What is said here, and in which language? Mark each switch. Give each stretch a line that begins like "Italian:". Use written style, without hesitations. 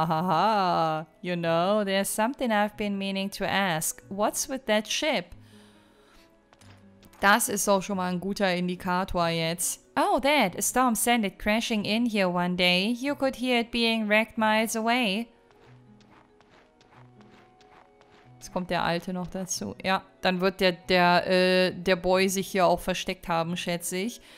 English: You know, there's something I've been meaning to ask. What's with that ship?
German: Das ist auch schon mal ein guter Indikator jetzt.
English: Oh, that. A storm sent it crashing in here one day. You could hear it being wrecked miles away.
German: Jetzt kommt der Alte noch dazu. Ja, dann wird der Boy sich hier auch versteckt haben, schätze ich.